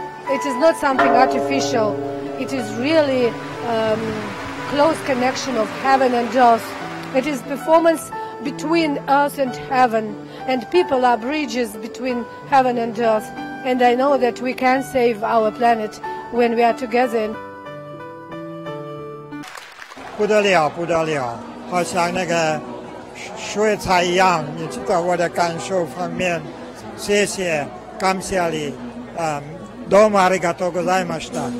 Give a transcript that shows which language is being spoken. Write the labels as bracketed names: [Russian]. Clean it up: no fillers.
[English] It is not something artificial. It is really close connection of heaven and earth. It is performance between earth and heaven, and people are bridges between heaven and earth. And I know that we can save our planet when we are together. [Chinese] 不得了，不得了，好像那个水彩一样。你知道我的感受方面，谢谢，感谢你， [Japanese] どうもありがとうございました。